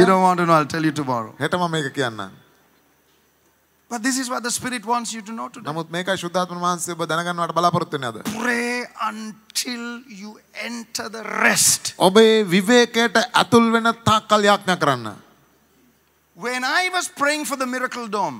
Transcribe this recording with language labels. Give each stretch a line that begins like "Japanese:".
English: You don't want to know, I'll tell you tomorrow.
Sinhala: හෙට මම මේක කියන්නම්.
English: But this is what the Spirit wants you to know today.
Sinhala: නමුත් මේකයි ශුද්ධාත්ම මහන්සිය ඔබ දැනගන්නවට බලාපොරොත්තු වෙන්නේ අද.
English: Pray until you enter the rest.
Sinhala: ඔබේ විවේකයට ඇතුල් වෙන තාක් කල් යාඥා කරන්න.
English: When I was praying for the miracle dome.